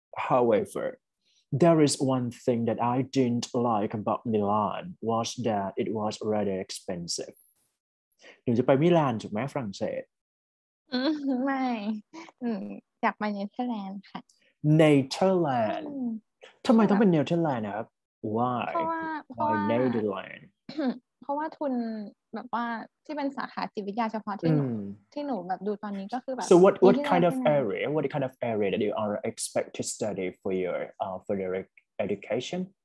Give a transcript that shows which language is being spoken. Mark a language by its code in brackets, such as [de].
[en] However, there is one thing that I didn't like about Milan was that it was rather expensive. [th] หนูจะไปมิลานถูกไหมฝรั่งเศส ไม่อยากไปเนเธอร์แลนด์ค่ะ เนเธอร์แลนด์ทำไมต้องเป็นเนเธอร์แลนด์นะครับ why [en] why Netherlands [th] เพราะว่าทุนแบบว่าที่เป็นสาขาจิตวิทยาเฉพาะที่หนูแบบดูตอนนี้ก็คือแบบ [en] so what kind of area that you are expect to study for your further education